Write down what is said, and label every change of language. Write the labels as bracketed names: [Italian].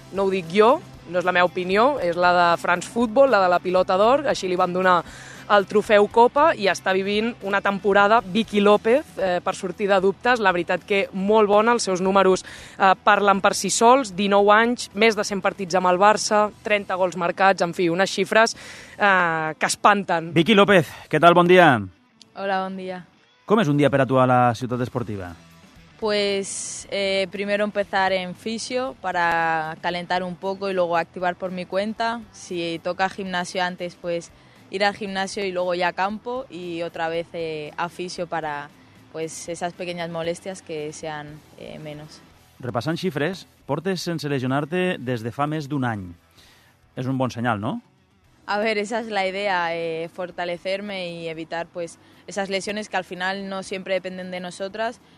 [Catalan] No ho dic jo, no és la meva opinió, és la de France Football, la de la pilota d'or, així li van donar el trofeu Copa, i està vivint una temporada Vicky López, per sortir de dubtes, la veritat que molt bona, els seus números parlen per si sols, 19 anys, més de 100 partits amb el Barça, 30 gols marcats, en fi, unes xifres que espanten. Vicky López, què tal, bon dia? Hola, bon dia. Com és un dia per a tu a la ciutat esportiva? [Spanish] Pues primero empezar en fisio para calentar un poco y luego activar por mi cuenta. Si toca gimnasio antes, pues ir al gimnasio y luego ya a campo y otra vez a fisio para pues esas pequeñas molestias que sean menos. [Catalan] Repassant xifres, portes sense lesionar-te des de fa més d'un any. És un bon senyal, no? [Spanish] A ver, esa es la idea, fortalecerme y evitar pues esas lesiones que al final no siempre dependen de nosotras.